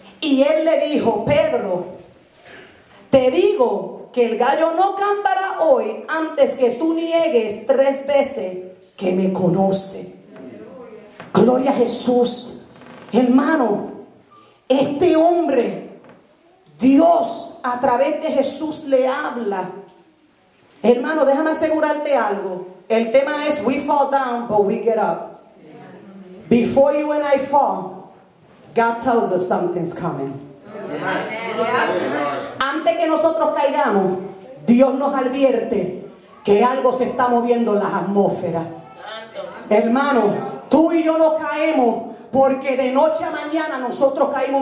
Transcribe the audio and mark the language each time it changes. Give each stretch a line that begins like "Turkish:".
Spanish: Y él le dijo: Pedro, te digo que el gallo no cantará hoy antes que tú niegues tres veces que me conoce. Gloria a Jesús. Hermano, este hombre, Dios a través de Jesús le habla. Hermano, déjame asegurarte algo. El tema es:
English: we fall down, but we get up. Before you and I fall, God tells us something's coming.
Spanish: Antes que nosotros caigamos, Dios nos advierte que algo se está moviendo en las atmósferas. Hermano, tú y yo no caemos porque de noche a mañana nosotros caímos.